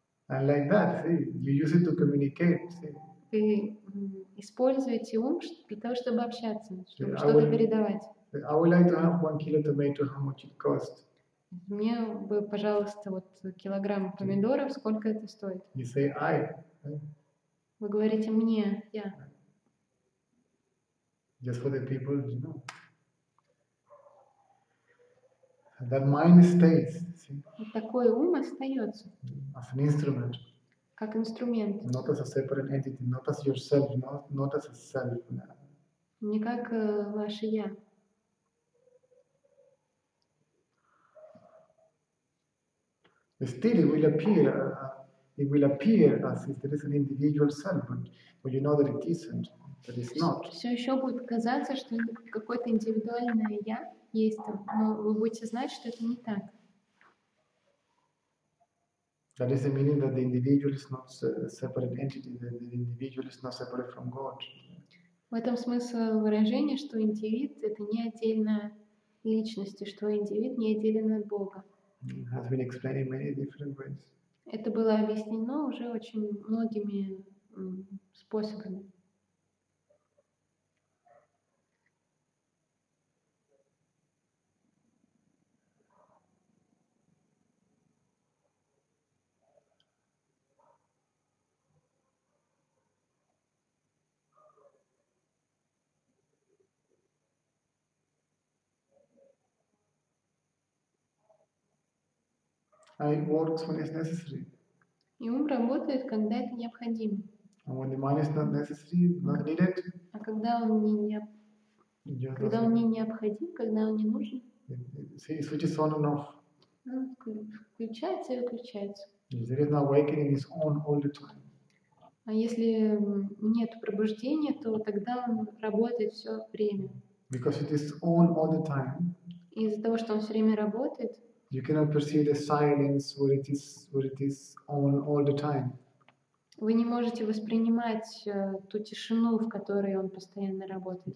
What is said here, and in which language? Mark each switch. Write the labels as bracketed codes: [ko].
[en] And like that, see, you use it to communicate. See. [ru] Вы используете ум для того, чтобы общаться, чтобы что-то передавать. [en] I would like to have 1 kilo tomato. How much it cost? [ru] Мне бы, пожалуйста, вот килограмм помидоров. Сколько это стоит? [en] You say I. [ru] Вы говорите мне, я. [en] Just for the people, you know. And that mind stays, see? [ru] Такой ум остается. [en] As an instrument. [ru] Как инструмент. [en] Not as a separate entity, not as yourself, not as a self. [ru] Не как ваше я. [en] Still, it will appear as if there is an individual self, but you know that it isn't. But it's not. [ru] Все еще будет казаться, что какое-то индивидуальное я есть там, но вы будете знать, что это не так. [en] That is the meaning that the individual is not a separate entity, that the individual is not separate from God. [ru] В этом смысл выражения, что индивид — это не отдельная личность, и что индивид не отделен от Бога. [en] It has been explained in many different ways. [ru] Это было объяснено уже очень многими способами. [en] It works when it's necessary. [ru] И ум работает, когда это необходимо. [en] And when the mind is not necessary, not needed. [ru] А когда он не необходим, когда он не нужен? [en] It switches on and off. [ru] Включается и выключается. [en] There is no awakening, it's on all the time. [ru] А если нет пробуждения, то тогда он работает все время. [en] Because it is on all the time. [ru] Из-за того, что он все время работает. [en] You cannot perceive the silence where it is on all the time. [ru] Вы не можете воспринимать ту тишину, в которой он постоянно работает.